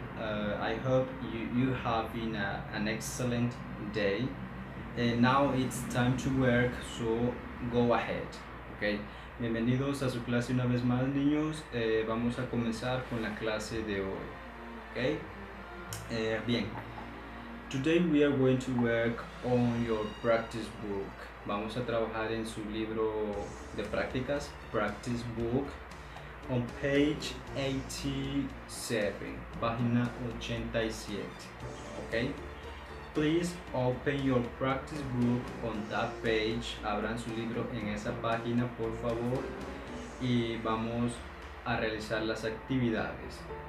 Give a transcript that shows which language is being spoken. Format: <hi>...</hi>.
<en>I hope you have been an excellent day. And now it's time to work, so go ahead. Okay.</en> <es>Bienvenidos a su clase una vez más, niños. Vamos a comenzar con la clase de hoy. Okay. Bien.</es> <en>Today we are going to work on your practice book.</en> <es>Vamos a trabajar en su libro de prácticas, practice book,</es> <en>on page 87,</en> <es>página 87, okay?</es> <en>Please open your practice book on that page.</en> <es>Abran su libro en esa página, por favor, y vamos a realizar las actividades.</es>